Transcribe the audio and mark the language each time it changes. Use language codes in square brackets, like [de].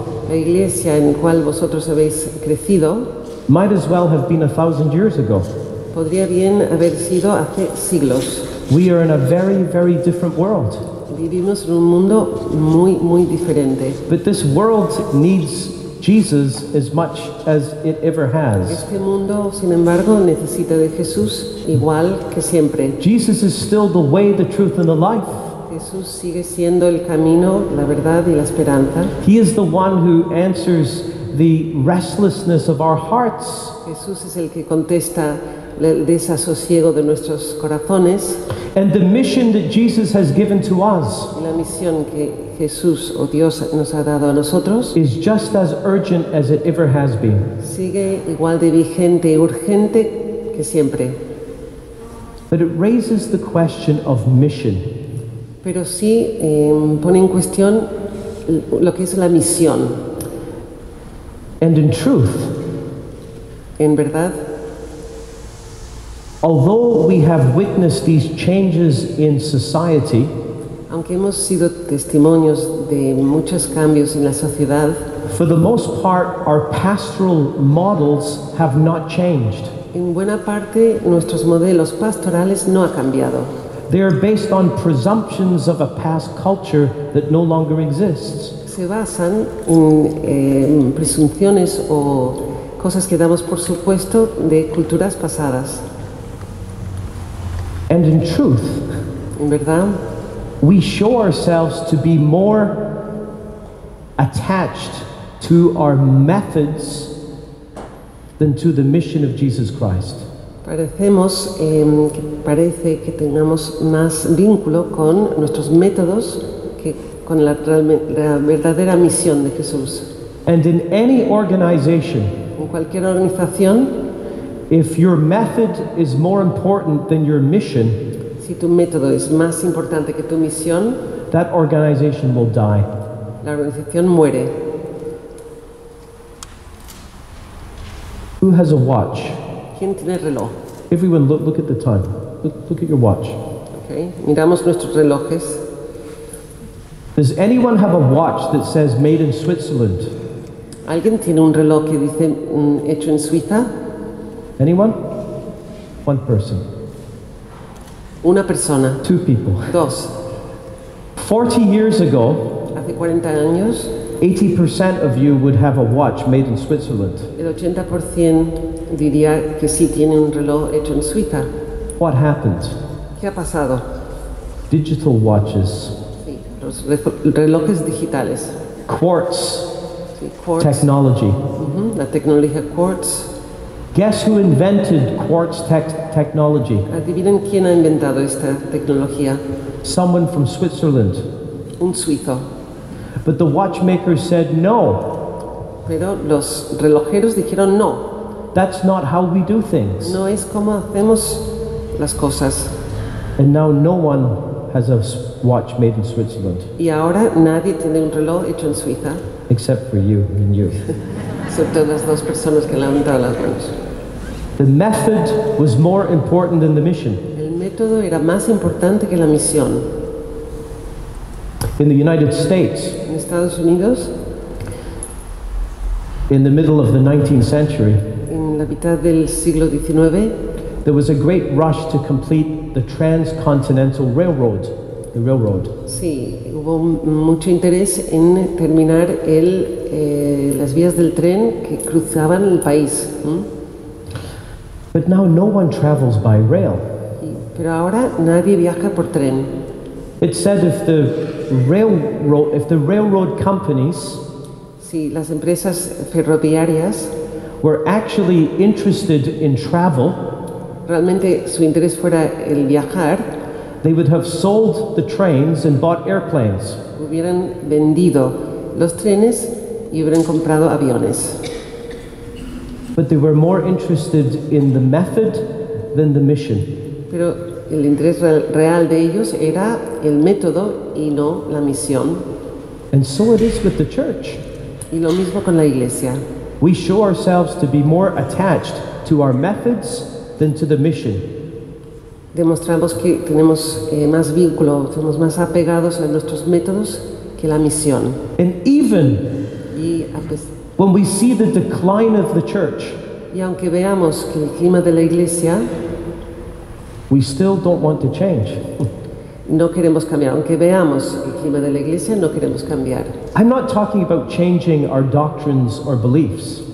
[es] la iglesia en cual vosotros habéis crecido, [en] might as well have been 1,000 years ago. [es] Podría bien haber sido hace siglos. [en] We are in a very, very different world. [es] Vivimos en un mundo muy, muy diferente. [en] But this world needs Jesus as much as it ever has. [es] Este mundo, sin embargo, necesita de Jesús igual que siempre. [en] Jesus is still the way, the truth, and the life. [es] Jesús sigue siendo el camino, la verdad y la esperanza. [en] He is the one who answers the restlessness of our hearts. [es] Jesús es el que contesta el desasosiego de nuestros corazones. [en] And the mission that Jesus has given to us, [es] la misión que Jesús o Dios nos ha dado a nosotros, [en] is just as urgent as it ever has been. [es] Sigue igual de vigente y urgente que siempre. [en] But it raises the question of mission. [es] Pero sí pone en cuestión lo que es la misión. [en] And in truth, [es] en verdad, [en] although we have witnessed these changes in society, [es] aunque hemos sido testimonios de muchos cambios en la sociedad, [en] for the most part, our pastoral models have not changed. [es] En buena parte, nuestros modelos pastorales no ha cambiado. [en] They are based on presumptions of a past culture that no longer exists. [es] Se basan en presunciones o cosas que damos por supuesto de culturas pasadas. [en] And in truth, [es] en verdad, [en] we show ourselves to be more attached to our methods than to the mission of Jesus Christ. [es] Parecemos, parece que tengamos más vínculo con nuestros métodos que con la verdadera misión de Jesús. [en] And in any organization, [es] en cualquier organización, [en] if your method is more important than your mission, [es] si tu método es más importante que tu misión, [en] that organization will die. [es] La organización muere. [en] Who has a watch? [es] ¿Quién tiene reloj? [en] Everyone, look at the time. Look at your watch. Okay. [es] Miramos nuestros relojes. [en] Does anyone have a watch that says made in Switzerland? [es] ¿Alguien tiene un reloj que dice hecho en Suiza? [en] Anyone? One person. [es] Una persona. [en] Two people. [es] Dos. [en] 40 years ago, [es] hace 40 años, [en] 80% of you would have a watch made in Switzerland. [es] El 80% diría que sí tiene un reloj hecho en Suiza. [en] What happened? [es] ¿Qué ha pasado? [en] digital watches. [es] Sí, los relojes digitales. [en] Quartz. [es] Sí, quartz. [en] Technology. [es] Mm-hmm, la tecnología quartz. [en] Guess who invented quartz technology? [es] ¿Adivinen quién ha inventado esta tecnología? [en] Someone from Switzerland. [es] Un suizo. [en] But the watchmaker said no. [es] Pero los relojeros dijeron no. [en] That's not how we do things. [es] No es como hacemos las cosas. [en] And now no one has a watch made in Switzerland. [es] Y ahora nadie tiene un reloj hecho en Suiza. [en] Except for you and you. [es] Excepto las dos personas que levantaron las manos. [en] The method was more important than the mission. [es] El método era más importante que la misión. [en] In the United States. [es] En Estados Unidos. [en] In the middle of the 19th century. [es] En la mitad del siglo XIX. [en] There was a great rush to complete the transcontinental railroad. The railroad. [es] Sí, hubo mucho interés en terminar las vías del tren que cruzaban el país. [en] But now no one travels by rail. [es] Pero ahora nadie viaja por tren. [en] It said if the railroad companies. [es] Sí, las empresas ferroviarias. [en] Were actually interested in travel. [es] Realmente su interés fuera el viajar. [en] They would have sold the trains and bought airplanes. [es] Hubieran vendido los trenes y hubieran comprado aviones. [en] But they were more interested in the method than the mission. [es] Pero el interés real de ellos era el método y no la misión. [en] And so it is with the church. [es] Y lo mismo con la iglesia. [en] We show ourselves to be more attached to our methods than to the mission. [es] Demostramos que tenemos más vínculo, somos más apegados a nuestros métodos que la misión. [en] And even when we see the decline of the church, [es] y aunque veamos que el clima de la iglesia, [en] we still don't want to change. [es] No queremos cambiar. Aunque veamos el clima de la iglesia, no queremos cambiar. [en] I'm not talking about changing our doctrines or beliefs.